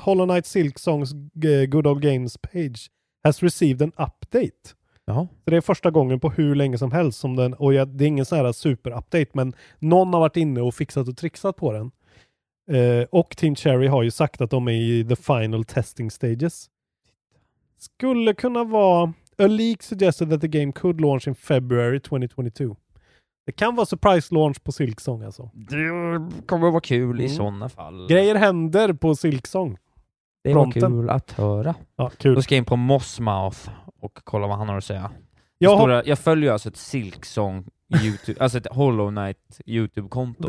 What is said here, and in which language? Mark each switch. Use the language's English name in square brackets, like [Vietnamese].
[English] Hollow Knight Silksongs Good Old Games page has received an update. [Swedish] Jaha. Det är första gången på hur länge som helst som den, och det är ingen sån här super update, men någon har varit inne och fixat och trixat på den. Och Team Cherry har ju sagt att de är i [English] the final testing stages. [Swedish] Skulle kunna vara [English] a leak suggested that the game could launch in February 2022. [Swedish] Det kan vara [English] surprise launch [Swedish] på Silksong alltså. Det kommer att vara kul i sådana fall. Grejer händer på Silksong. Det var kul att höra. Ja, kul. Då ska jag in på Mossmouth och kolla vad han har att säga. Jag följer alltså ett Silksong YouTube, alltså ett Hollow Knight YouTube-konto.